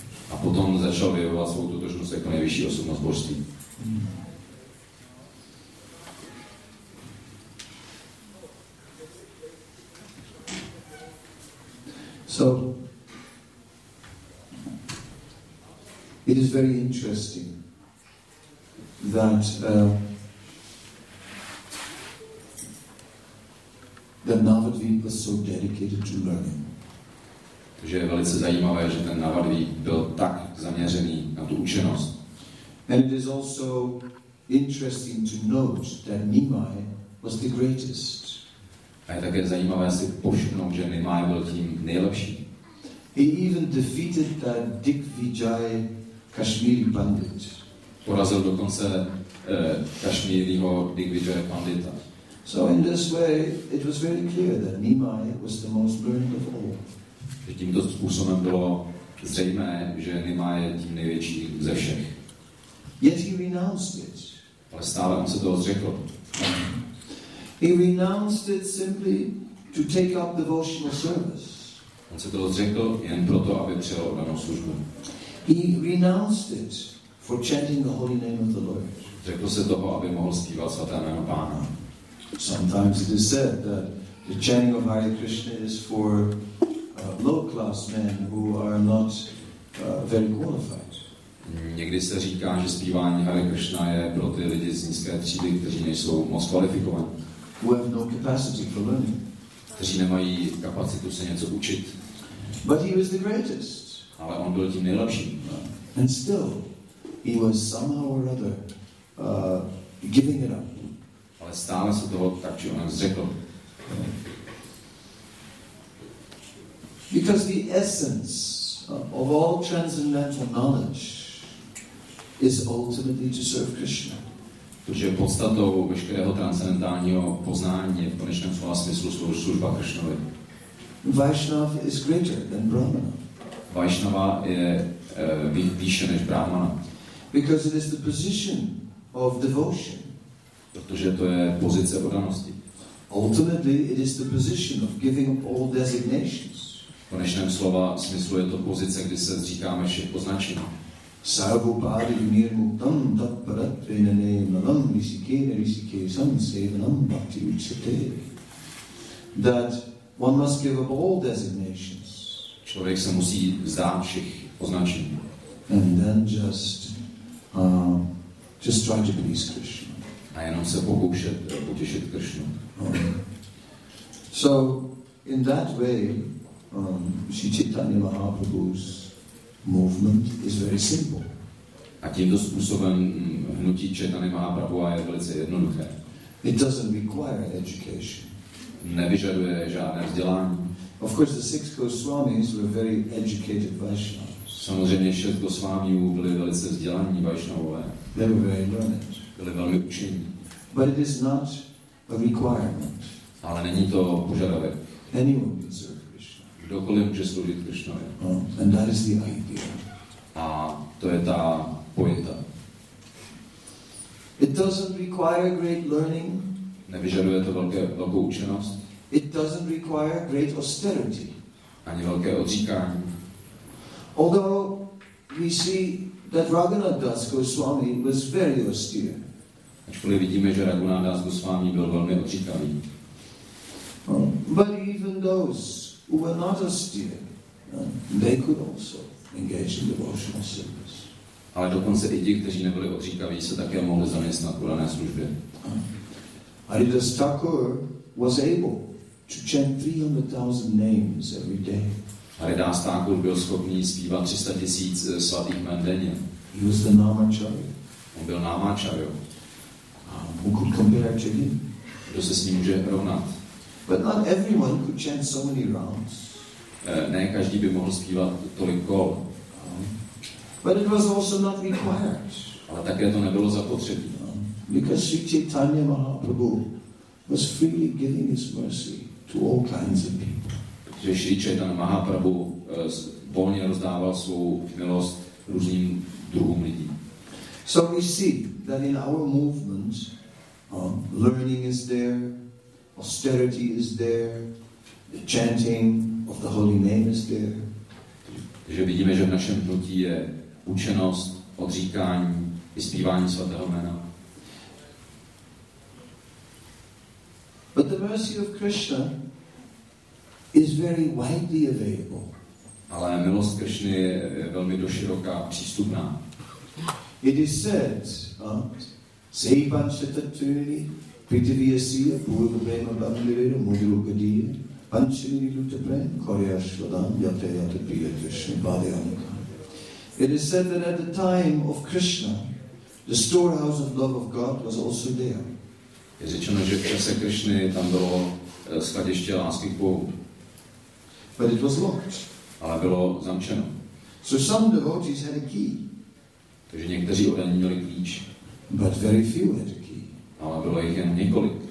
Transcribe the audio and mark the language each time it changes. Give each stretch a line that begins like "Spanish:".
Czech: A potom začal vyjevovat svou totožnost jako nejvyšší osobnost božství.
English: So it is very interesting that Navadvip was so dedicated to learning.
Czech: Takže je velice zajímavé, že ten Navadvip byl tak zaměřený na tu učenost.
English: And it is also interesting to note that Nimai was the greatest.
Czech: A je také zajímavé si povšimnout, že Nimai byl tím nejlepším.
English: He even defeated that Digvijay Kashmiri Pandit.
Czech: Porazil dokonce Kashmiriho Digvijaya Pandita.
English: So in this way, it was very clear that Nimai was the most learned of all.
Czech: Tímto způsobem bylo zřejmé, že Nimai je tím největší ze všech.
English: Yet he renounced it.
Czech: Ale stále on se toho zřekl.
English: He renounced it simply to take up devotional service.
Czech: On se toho zřekl jen proto, aby přijal danou službu.
English: He renounced it for chanting the holy name of the Lord.
Czech: Řekl se toho, aby mohl zpívat svaté jméno Pána.
English: Sometimes it is said that the chanting of Hare Krishna is for low class men who are not very qualified.
Czech: Někdy se říká, že zpívání Hare Krishna je pro ty lidi z nízké třídy, kteří nejsou moc kvalifikovaní.
English: Who have no capacity for learning.
Czech: Kteří nemají kapacitu se něco učit.
English: But he was the greatest.
Czech: Ale on byl tím nejlepším.
English: And still, he was somehow or other giving it up.
Czech: Ale stále se toho tak, či onak zřekl.
English: Because the essence of all transcendental knowledge is ultimately to serve Krishna.
Czech: Protože podstatou veškerého transcendentálního poznání je v konečném slova smyslu služba Krishnovi.
English: Vaishnav is greater than Brahmana.
Czech: Vaishnava je vyšší než Brahmana.
English: Because it is the position of devotion.
Czech: Protože to je pozice oddanosti.
English: Ultimately it is the position of giving up all designations.
Czech: V konečném slova smyslu je to pozice, kdy se zříkáme všech označení.
Sanskrit: Sarva upadhi nirmuktam tat paratvena nemanam risikena risikesam sevanam bhakti ucchate.
English: That one must give up all designations.
Czech: Člověk se musí vzdát všech označení.
English: And then just try to please Krishna.
Czech: A jenom se pokoušet potěšit Krishnu.
English: So in that way Sri Chaitanya Mahaprabhu's movement is very simple.
Czech: A tímto způsobem hnutí Chaitanya Mahaprabhuva je velice jednoduché.
English: It doesn't require education.
Czech: Nevyžaduje žádné vzdělání.
English: Of course the six Goswamis were very educated Vaishnavas.
Czech: Samozřejmě šest Goswamiů byli velice vzdělaní Vaishnavové.
English: They were very learned.
Czech: Byli velmi učení.
English: But it is not a requirement.
Czech: Ale není to požadavek.
English: Anyone can serve Krishna.
Czech: Kdokoliv může sloužit Krishnovi.
English: And that is the idea.
Czech: A to je ta pointa.
English: It doesn't require great learning.
Czech: Nevyžaduje to velkou učenost.
English: It doesn't require great austerity.
Czech: Ani velké odříkání.
English: Although we see that Raghunath Das Goswami was very austere.
Czech: Ačkoliv vidíme, že Raghunath Das Goswami byl velmi odříkavý.
English: But even those who were not austere, they could also engage in devotional service.
Czech: Ale dokonce i ti, kteří nebyli odříkaví, se také mohli zaměstnat v dané službě.
English: Haridas Thakur was able to chant 300,000 names every day.
Czech: Haridas Thakur byl schopný zpívat 300 000 svatých jmen denně.
English: He was the Namacharya.
Czech: On byl Namacharya.
English: Who could compare to him?
Czech: Kdo se s ním může rovnat?
English: But not everyone could chant so many rounds.
Czech: Ne každý by mohl zpívat tolik kol.
English: But it was also not required.
Czech: Ale také to nebylo zapotřebí.
English: Because Sri Chaitanya Mahaprabhu was freely giving his mercy to all kinds of people.
Czech: Sri Chaitanya Mahaprabhu volně rozdával svou milost různým druhům lidí.
English: So we see that in our movement, learning is there, austerity is there, the chanting of the holy name is there.
Czech: Takže vidíme, že v našem hnutí je učenost, odříkání i zpívání svatého jména.
English: But the mercy of Krishna is very widely available.
Czech: Ale milost Krishny je velmi doširoka přístupná.
English: It is said, Seiban Shatatrini, Pritiviyasiya, Purvabrema Bhagavira, Mudrugadiya, Panchini Lutabren, Koryashvadam, Yata Yata Priya Krishna, Bhadyanika. It is said that at the time of Krishna, the storehouse of love of God was also there.
Czech: Je řečeno, že v čase Krishny tam bylo skladiště lásky k Bohu.
English: But it was locked.
Czech: Ale bylo zamčeno.
English: So some devotees had a key.
Czech: Takže někteří odaní měli klíč.
English: But very few had a key.
Czech: Ale bylo jich jen několik.